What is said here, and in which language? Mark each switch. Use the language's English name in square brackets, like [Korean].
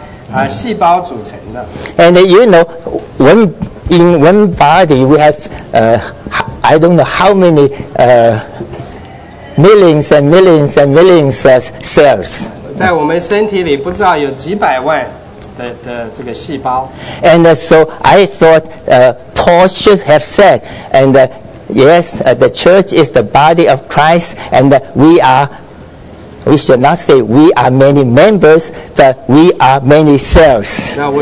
[Chinese] 虽然我们身体的这个肢体有许多，但是其实我们是由这个细胞组成的。 [English] And you know, in one body we have I don't know how many millions and millions and millions of cells. [Chinese] 在我们身体里不知道有几百万的这个细胞。 [English] And so I thought Paul should have said and. Yes, the church is the body of Christ, and we should not say we are many members, but we are many cells.